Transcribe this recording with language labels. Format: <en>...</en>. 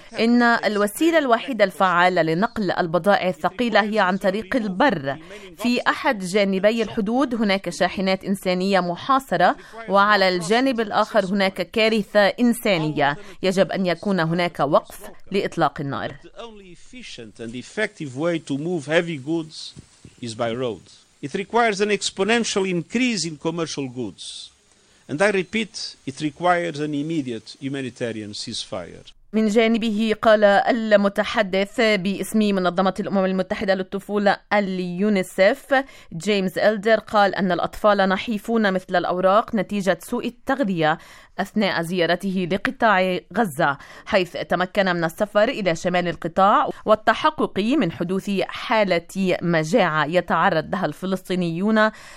<ar>إن الوسيلة الوحيدة الفعالة لنقل البضائع الثقيلة هي عن طريق البر. في أحد جانبي الحدود هناك شاحنات إنسانية محاصرة، وعلى الجانب الآخر هناك كارثة إنسانية. يجب أن يكون هناك وقف لإطلاق النار.</ar> <en>The only efficient and effective way to move heavy goods is by road. It requires an exponential increase in commercial goods. And I repeat, it requires an immediate humanitarian ceasefire.</en> <ar>من جانبه قال المتحدث باسم منظمة الأمم المتحدة للطفولة اليونيسف جيمس إلدر، قال أن الأطفال نحيفون مثل الأوراق نتيجة سوء التغذية أثناء زيارته لقطاع غزة، حيث تمكن من السفر إلى شمال القطاع والتحقق من حدوث حالة مجاعة يتعرض لها الفلسطينيون</ar>